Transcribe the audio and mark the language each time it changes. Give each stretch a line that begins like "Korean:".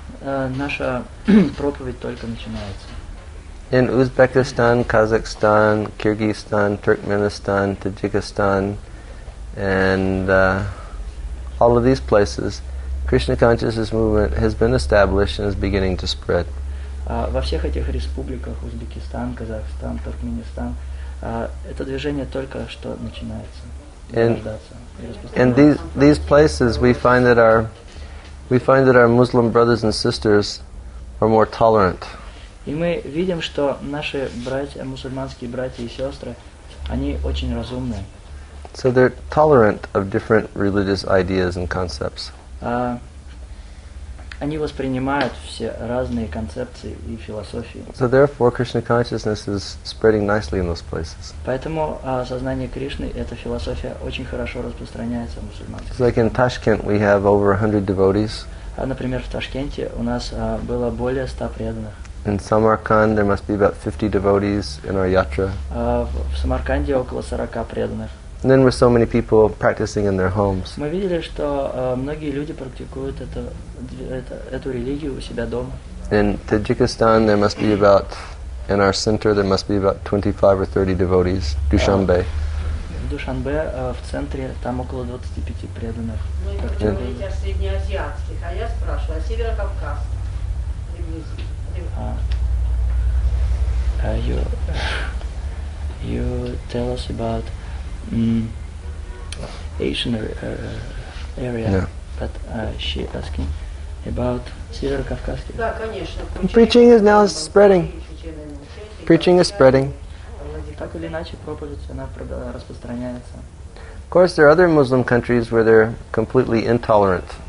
Russian: Наша проповедь только начинается.
English: In Uzbekistan, Kazakhstan, Kyrgyzstan, Turkmenistan, Tajikistan, and all of these places, Krishna consciousness movement has been established and is beginning to spread.
Russian: Во всех этих республиках, Узбекистан, Казахстан, Туркменистан, это движение только что начинается.
English: And these places, we find that our Muslim brothers and sisters are more tolerant.
Russian: И мы видим, что наши братья, мусульманские братья и сестры, они очень разумные.
English: So they're tolerant of different religious ideas and concepts.
Russian: Они воспринимают все разные концепции и философии.
English: So therefore, Krishna consciousness is spreading nicely in those places.
Russian: Поэтому сознание Кришны, эта философия очень хорошо распространяется в мусульманских.
English: Like in Tashkent, we have over 100 devotees.
Russian: Например, в Ташкенте у нас было более 100 преданных.
English: In Samarkand, there must be about 50 devotees in our yatra.
Russian: В Самарканде около 40 преданных.
English: And then with so many people practicing in their homes.
Russian: Мы видели, что многие люди практикуют эту религию у себя дома.
English: In Tajikistan, there must be about, in our center, there must be about 25 or 30 devotees, Dushanbe.
Russian: В Душанбе, в центре, там около 25 преданных. Вы говорите о среднеазиатских, а я спрашиваю, о северокавказских.
English: You tell us about Asian area, yeah. But she asking about
Russian: Северокавказский. Да, конечно.
English: Preaching is now spreading. Preaching is spreading.
Russian: Так или иначе, проповедь она распространяется.
English: Of course, there are other Muslim countries where they're completely intolerant.